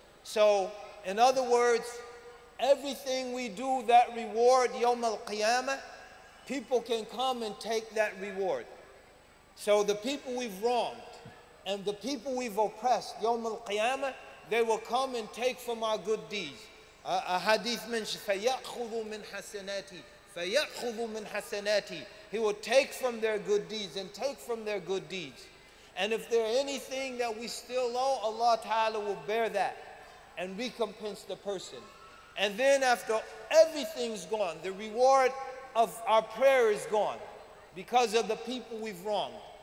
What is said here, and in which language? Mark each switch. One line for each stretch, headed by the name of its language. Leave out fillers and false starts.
English: So, in other words, everything we do that reward Yawm al-Qiyamah, people can come and take that reward. So the people we've wronged and the people we've oppressed, Yawm al-Qiyamah, they will come and take from our good deeds. A hadith mentions,
Arabic: فَيَأْخُذُ مِنْ حَسَنَاتِي فَيَأْخُذُ مِنْ حَسَنَاتِي.
English: He will take from their good deeds and take from their good deeds. And if there are anything that we still owe, Allah Ta'ala will bear that and recompense the person. And then after everything's gone, the reward of our prayer is gone because of the people we've wronged.